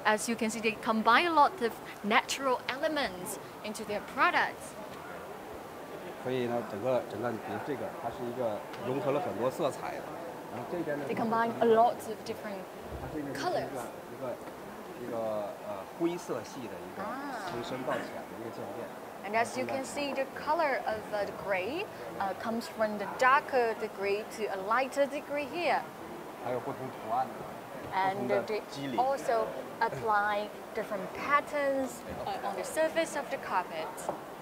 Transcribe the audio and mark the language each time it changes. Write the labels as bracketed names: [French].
[English] As you can see, they combine a lot of natural elements into their products. [Chinese] 所以呢，整个比如这个，它是一个融合了很多色彩的，然后这边呢。 [English] They combine a lot of different colors. [Chinese] 一个灰色系的一个从深到浅的一个渐变。 [English] And as you can see, the color of the gray comes from the darker degree to a lighter degree here. [Chinese] 还有不同图案的，不同的肌理。 [English] And also apply different patterns on the surface of the carpet.